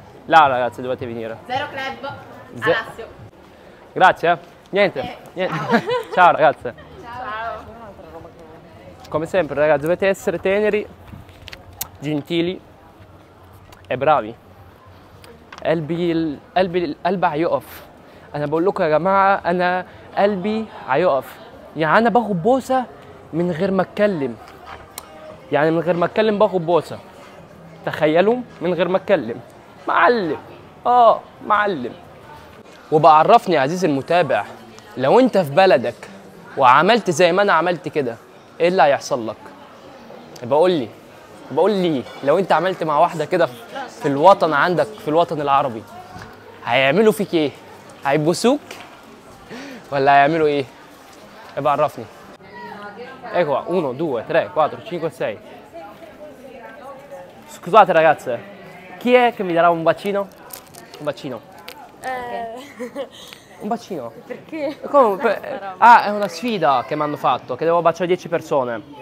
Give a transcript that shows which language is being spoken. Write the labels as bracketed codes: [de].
[it] Là, ragazzi, dovete venire. Zero Club. Alassio. Grazie, Niente. Niente. Ciao. Ciao, ragazze. Ciao. Come sempre, ragazzi, dovete essere teneri, gentili e bravi. [ar] قلبي قلبي قلبي هيقف انا بقول لكم يا جماعه انا قلبي هيقف يعني انا باخد بوسه من غير ما اتكلم يعني من غير ما اتكلم باخد بوسه تخيلوا من غير ما اتكلم معلم معلم وبعرفني يا عزيزي المتابع لو انت في بلدك وعملت زي ما انا عملت كده ايه اللي هيحصل لك بقول لي لو انت عملت مع واحده كده في الوطن عندك في الوطن العربي هيعملوا فيك ايه؟ هيبوسوك ولا هيعملوا ايه؟ ابقى عرفني. [it] ايكوا 1 2 3 4 5 6 Scusate ragazze, chi è che mi darà un bacino? Un bacino. Un bacino. Perché? Come? È una sfida che mi hanno fatto, che devo baciare 10 persone.